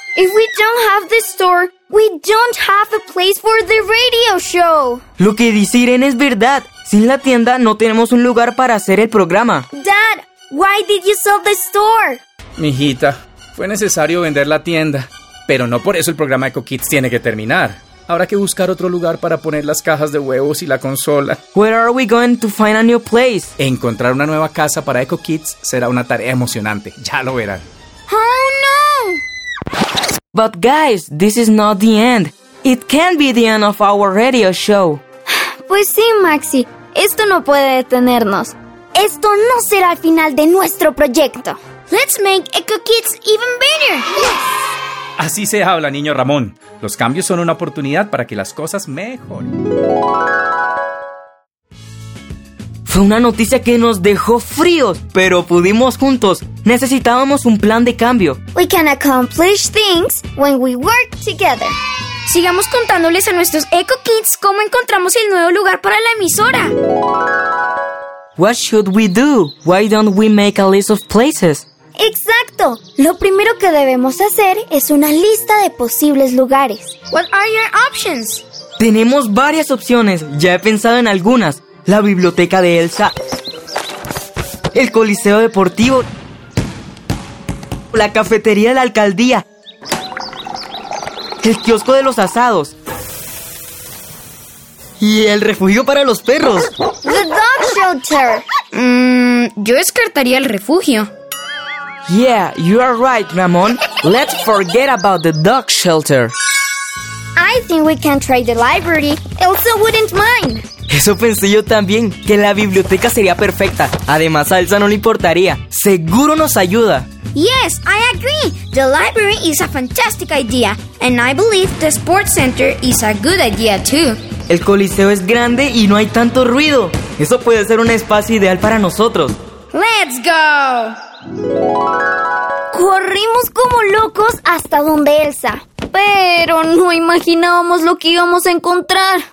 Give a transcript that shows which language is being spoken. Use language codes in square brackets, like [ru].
[en] If we don't have the store, we don't have a place for the radio show. [es] Lo que dice Irene es verdad. Sin la tienda no tenemos un lugar para hacer el programa. [en] Dad, why did you sell the store? [es] Mijita, fue necesario vender la tienda, pero no por eso el programa Eco Kids tiene que terminar. Habrá que buscar otro lugar para poner las cajas de huevos y la consola. [en] Where are we going to find a new place? [es] Encontrar una nueva casa para Eco Kids será una tarea emocionante, ya lo verán. [en] Oh no! But guys, this is not the end. It can't be the end of our radio show. [es] Pues sí, Maxi, esto no puede detenernos. Esto no será el final de nuestro proyecto. [en] Let's make Eco Kids even better. Yes. [es] Así se habla, niño Ramón. Los cambios son una oportunidad para que las cosas mejoren. Fue una noticia que nos dejó fríos, pero pudimos juntos. Necesitábamos un plan de cambio. [en] We can accomplish things when we work together. [es] Sigamos contándoles a nuestros Eco Kids cómo encontramos el nuevo lugar para la emisora. [en] What should we do? Why don't we make a list of places? [es] ¡Exacto! Lo primero que debemos hacer es una lista de posibles lugares. [en] What are your options? [es] Tenemos varias opciones. Ya he pensado en algunas. La biblioteca de Elsa. El coliseo deportivo. La cafetería de la alcaldía. El kiosco de los asados. Y el refugio para los perros. [en] The dog shelter. [es] Yo descartaría el refugio. [en] Yeah, you are right, Ramón. Let's forget about the dog shelter. I think we can try the library. Elsa wouldn't mind. [es] Eso pensé yo también, que la biblioteca sería perfecta. Además, a Elsa no le importaría. Seguro nos ayuda. [en] Yes, I agree. The library is a fantastic idea. And I believe the sports center is a good idea too. [es] El coliseo es grande y no hay tanto ruido. Eso puede ser un espacio ideal para nosotros. [en] Let's go. [es] Corrimos como locos hasta donde Elsa. Pero no imaginábamos lo que íbamos a encontrar.